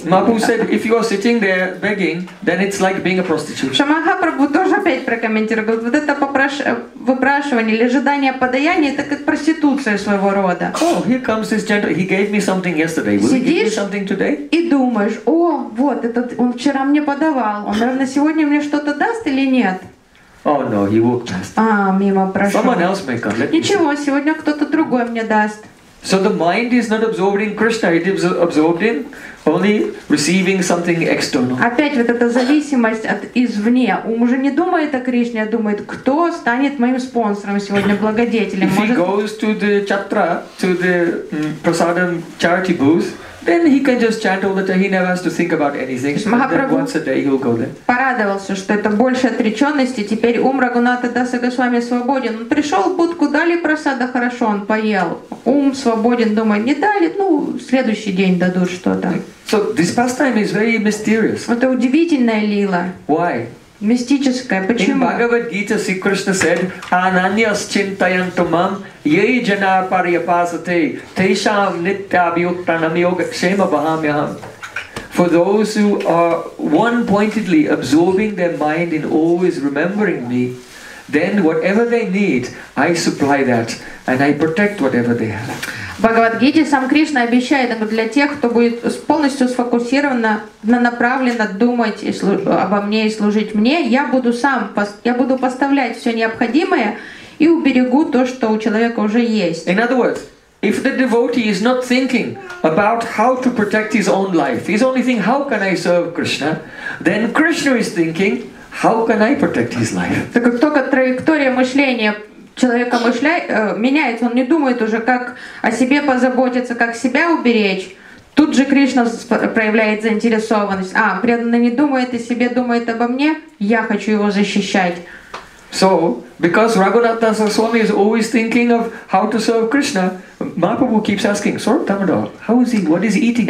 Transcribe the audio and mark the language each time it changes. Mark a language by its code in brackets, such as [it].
[en] Мапу said, if you are sitting there begging, then it's like being a prostitute. [ru] Шамахапрабху тоже опять прокомментировал, говорит, вот это выпрашивание или ожидание подаяния, это как проституция своего рода. [en] Oh, here comes this gentleman. He gave me something yesterday. Will [ru] Сидишь [en] he give me something today? [ru] И думаешь, о, вот этот, он вчера мне подавал, он, наверное, сегодня мне что-то даст или нет? [en] Oh no, he walked past. [ru] А, мимо прошел. [en] Someone else may come. [ru] Ничего, сегодня кто-то другой мне даст. [en] So the mind is not absorbed in Krishna, it is absorbed in only receiving something external. [ru] Опять вот эта зависимость от извне. Ум уже не думает о Кришне, а думает, кто станет моим спонсором сегодня, благодетелем. [en] If he goes to the chatra, to the prasadam charity booth, then he can just chant all the time. He never has to think about anything. [ru] Махапрабху [en] once a day he'll go there. [ru] Порадовался, что это больше отреченности. Теперь ум Рагунатха Даса Госвами свободен. Он пришел в будку, дали просада, хорошо, он поел. Ум свободен, думает, не дали, ну, следующий день дадут что-то. [en] So this pastime is very mysterious. [ru] Это удивительная лила. [en] Why? [ru] Мистическая. Почему? [en] In Bhagavad Gita, Sri Krishna said, [sa] "Ananyas chintayantumam yei jana pariyapasate tesham nitya abhyuktanam yoga kshema bahamyaham." [en] For those who are one-pointedly absorbing their mind in always remembering me, then whatever they need, I supply that and I protect whatever they have. [ru] В Бхагавад-гите сам Кришна обещает, он говорит, для тех, кто будет полностью сфокусирован, направленно думать и обо мне и служить мне, я буду сам, я буду поставлять все необходимое и уберегу то, что у человека уже есть. [en] In other words, if the devotee is not thinking about how to protect his own life, he's only thinking, how can I serve Krishna, then Krishna is thinking, how can I protect his life? [ru] Так как только траектория мышления человека меняется, он не думает уже, как о себе позаботиться, как себя уберечь. Тут же Кришна проявляет заинтересованность. А, преданный не думает о себе, думает обо мне, я хочу его защищать. [en] So, because Raghunath Das Goswami is always thinking of how to serve Krishna, Mahaprabhu keeps asking, Sir Tamada, how is he, what is he eating?